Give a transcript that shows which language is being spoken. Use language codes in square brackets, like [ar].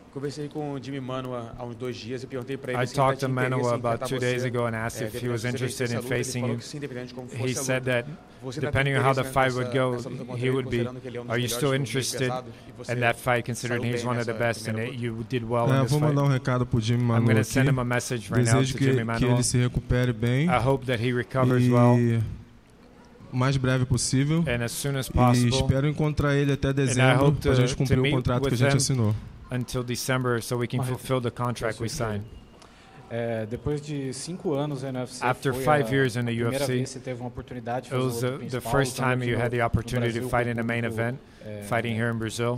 [pt] Conversei com o Jimmy Manoa há uns dois dias e perguntei para ele se ele tinha interesse em [en] about two days ago and asked if he was interested in facing you. He said that depending on how the fight would go, he would be. Are you still interested in that fight, considering he's one of the best and you did well in this fight? [pt] Vou mandar um recado pro Jimmy Manoa. [en] I'm going to send him a message right now to Jimmy Manoa. [pt] Desejo que ele se recupere bem. [en] I hope that he recovers well. [pt] Mais breve possível. [en] And as soon as possible. [pt] E espero encontrar ele até dezembro para a gente cumprir o contrato que a gente assinou. [en] Until December, so we can fulfill the contract we signed. [pt] Depois de 5 anos na UFC, [en] after the first time you had the opportunity to fight in a main event, fighting here in Brazil,